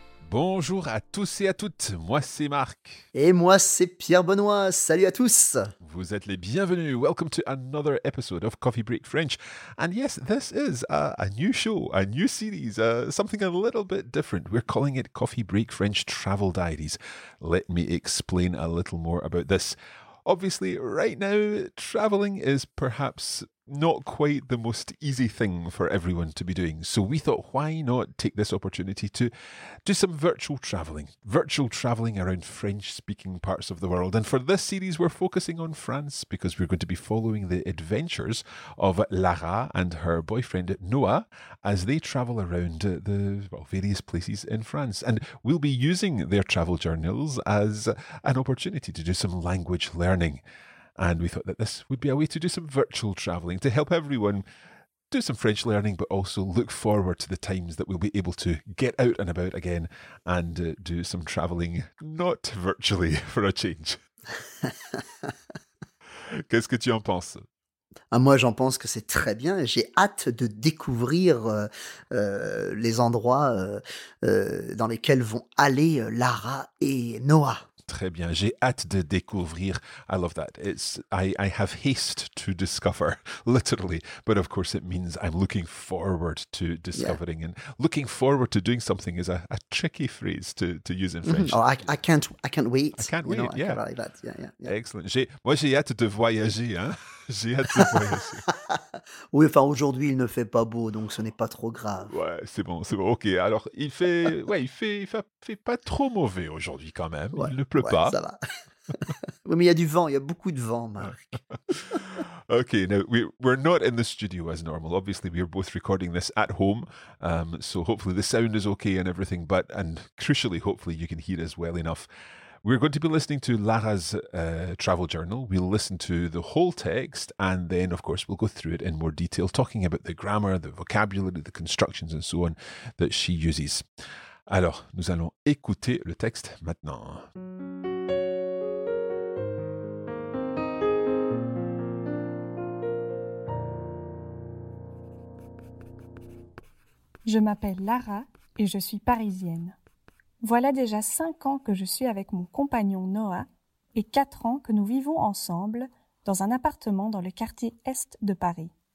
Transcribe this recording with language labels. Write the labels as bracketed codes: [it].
[fr] Bonjour à tous et à toutes, moi c'est Marc. Et moi c'est Pierre Benoît, salut à tous. Vous êtes les bienvenus, [en] welcome to another episode of Coffee Break French. And yes, this is a new show, a new series, something a little bit different. We're calling it Coffee Break French Travel Diaries. Let me explain a little more about this. Obviously, right now, traveling is perhaps not quite the most easy thing for everyone to be doing. So we thought, why not take this opportunity to do some virtual traveling around French-speaking parts of the world. And for this series, we're focusing on France because we're going to be following the adventures of Lara and her boyfriend Noah as they travel around various places in France. And we'll be using their travel journals as an opportunity to do some language learning. And we thought that this would be a way to do some virtual travelling to help everyone do some French learning, but also look forward to the times that we'll be able to get out and about again and do some travelling not virtually for a change. [fr] Qu'est-ce que tu en penses? Ah, moi, j'en pense que c'est très bien. J'ai hâte de découvrir les endroits dans lesquels vont aller Lara et Noah. Très bien, j'ai hâte de découvrir. [en] I love that. I have haste to discover, literally. But of course, it means I'm looking forward to discovering. Yeah. And looking forward to doing something is a tricky phrase to use in French. Oh, I can't wait. I can't wait. You know, yeah. I can't like that. Yeah. [fr] Excellent. J'ai hâte de voyager. Hein? J'ai hâte de voyager. Oui, enfin, aujourd'hui, il ne fait pas beau, donc ce n'est pas trop grave. Ouais, c'est bon. OK. Alors, il fait pas trop mauvais aujourd'hui quand même. Ouais. Il ne pleut pas. Ça va. Oui, mais il y a du vent. Il y a beaucoup de vent, Marc. OK. [en] Now, we're not in the studio as normal. Obviously, we are both recording this at home. So hopefully the sound is OK and everything. And crucially, hopefully you can hear us well enough. We're going to be listening to Lara's travel journal. We'll listen to the whole text and then, of course, we'll go through it in more detail, talking about the grammar, the vocabulary, the constructions and so on that she uses. [fr] Alors, nous allons écouter le texte maintenant. Je m'appelle Lara et je suis parisienne. Voilà déjà 5 ans que je suis avec mon compagnon Noah et 4 ans que nous vivons ensemble dans un appartement dans le quartier Est de Paris.